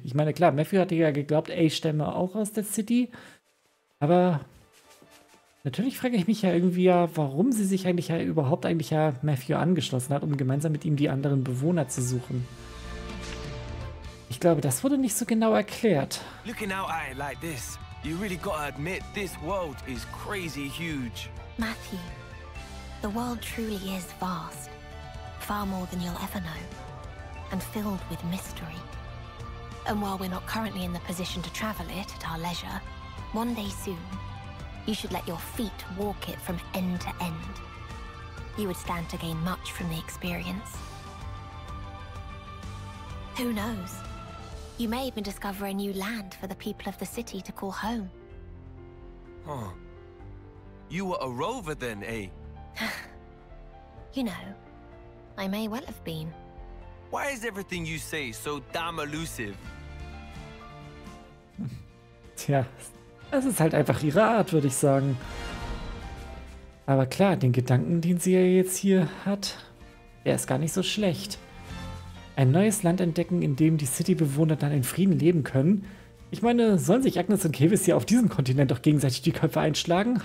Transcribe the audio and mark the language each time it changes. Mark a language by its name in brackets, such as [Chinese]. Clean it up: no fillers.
[German] Ich meine, klar, Matthew hatte ja geglaubt, ey, stamme auch aus der City, aber... Natürlich frage ich mich ja irgendwie, ja, warum sie sich eigentlich ja überhaupt eigentlich ja Matthew angeschlossen hat, um gemeinsam mit ihm die anderen Bewohner zu suchen. Ich glaube, das wurde nicht so genau erklärt. [English] Looking out at it like this, you really gotta admit, this world is crazy huge. Matthew, the world truly is vast. Far more than you'll ever know. And filled with mystery. And while we're not currently in the position to travel it at our leisure, one day soon, you should let your feet walk it from end to end. You would stand to gain much from the experience. Who knows? You may even discover a new land for the people of the city to call home. Huh. You were a rover then, eh? You know, I may well have been. Why is everything you say so damn elusive? [German] Tja. Es ist halt einfach ihre Art, würde ich sagen. Aber klar, den Gedanken, den sie ja jetzt hier hat, der ist gar nicht so schlecht. Ein neues Land entdecken, in dem die City-Bewohner dann in Frieden leben können. Ich meine, sollen sich Agnes und Kevis hier auf diesem Kontinent doch gegenseitig die Köpfe einschlagen?